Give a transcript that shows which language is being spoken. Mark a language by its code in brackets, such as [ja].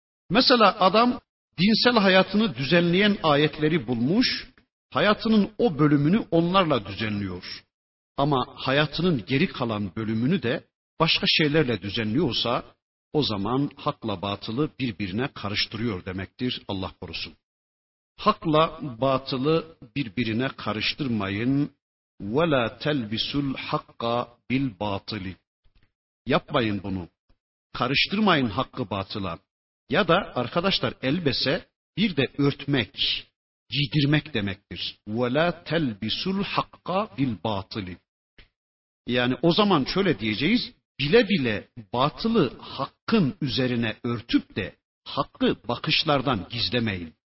[tr] Mesela adam dinsel hayatını düzenleyen ayetleri bulmuş, hayatının o bölümünü onlarla düzenliyor. Ama hayatının geri kalan bölümünü de başka şeylerle düzenliyorsa, o zaman hakla batılı birbirine karıştırıyor demektir, Allah korusun. Hakla batılı birbirine karıştırmayın. [ar] وَلَا تَلْبِسُ الْحَقَّ بِالْبَاطِلِ [tr] Yapmayın bunu. Karıştırmayın hakkı batıla. Ya da arkadaşlar, elbise bir de örtmek, giydirmek demektir. [ar] وَلَا تَلْبِسُ الْحَقَّ بِالْبَاطِلِ [tr] Yani o zaman şöyle diyeceğiz, bile bile batılı hakkın üzerine örtüp de hakkı bakışlardan gizlemeyin.